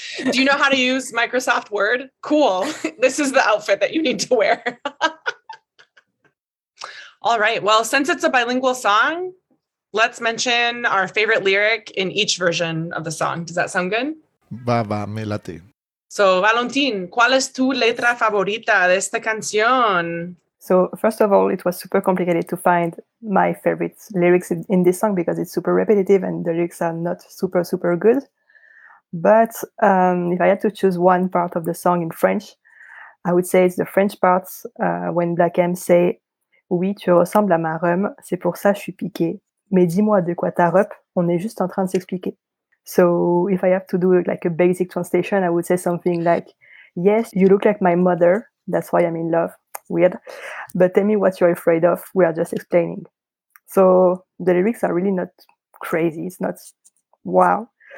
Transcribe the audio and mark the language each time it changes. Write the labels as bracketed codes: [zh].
[en] Do you know how to use Microsoft Word? Cool. This is the outfit that you need to wear. All right. Well, since it's a bilingual song, let's mention our favorite lyric in each version of the song. Does that sound good? [es] Va, va, me late. So, Valentin, ¿cuál es tu letra favorita de esta canción? [en] So, first of all, it was super complicated to find my favorite lyrics in this song because it's super repetitive and the lyrics are not super, super good. But if I had to choose one part of the song in French, I would say it's the French parts when Black M say, [fr] oui, tu ressembles à ma rhum, c'est pour ça je suis piqué. Mais dis-moi de quoi t'as rep, on est juste en train de s'expliquer. [en] So if I have to do like a basic translation, I would say something like, yes, you look like my mother, that's why I'm in love. Weird. But tell me what you're afraid of, we are just explaining. So the lyrics are really not crazy, it's not wow.